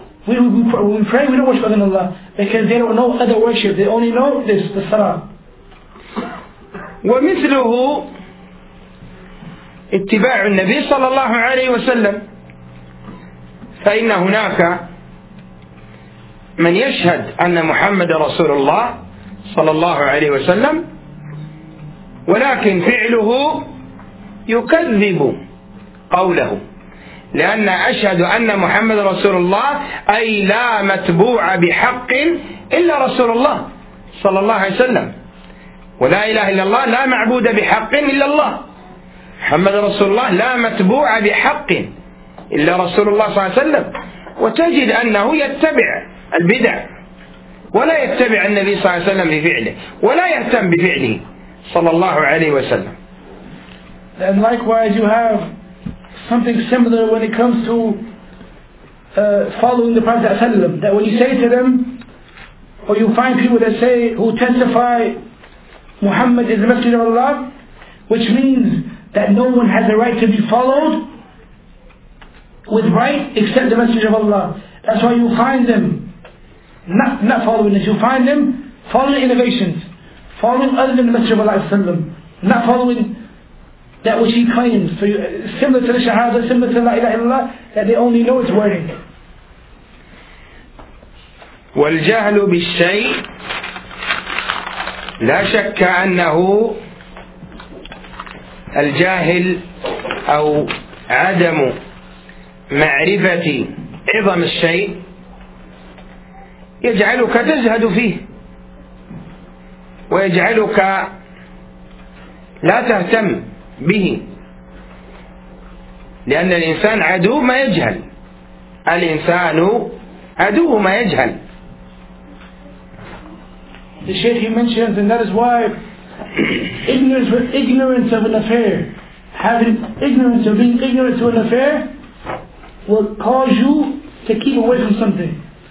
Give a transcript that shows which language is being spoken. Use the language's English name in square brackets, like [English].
[English] We pray, we don't worship other than Allah, because they don't know other worship. They only know this, the salah. [Arabic] ومثله اتباع النبي صلى الله عليه وسلم. فإن هناك من يشهد أن محمد رسول الله صلى الله عليه وسلم، ولكن فعله يكذب قوله، لأن أشهد أن محمد رسول الله أي لا متبوع بحق إلا رسول الله صلى الله عليه وسلم، ولا إله إلا الله لا معبود بحق إلا الله، محمد رسول الله لا متبوع بحق إلا رسول الله صلى الله عليه وسلم، وتجد أنه يتبع البدع ولا يتبع النبي صلى الله عليه وسلم بفعله ولا يهتم بفعله صلى الله عليه وسلم. [English] And likewise you have something similar when it comes to following the Prophet ﷺ, that when you say to them, or you find people that say, who testify Muhammad is the Messenger of Allah, which means that no one has a right to be followed with right except the Messenger of Allah. That's why you find them not following this. You find them following innovations, following other than the Messenger of Allah, not following that which he claims. So similar to the Shahada, similar to La ilaha illallah, that they only know its wording. [Arabic] وَالْجَهْلُ بِالشَّيْءِ لَا شَكَّ أَنَّهُ الجاهل أو عدم معرفة عظم الشيء يجعلك تزهد فيه ويجعلك لا تهتم به، لأن الإنسان عدو ما يجهل، الإنسان عدو ما يجهل. [English] The shaykh he mentions, and that is why ignorance with ignorance of an affair, having ignorance of being ignorant to an affair, will cause you to keep away from something.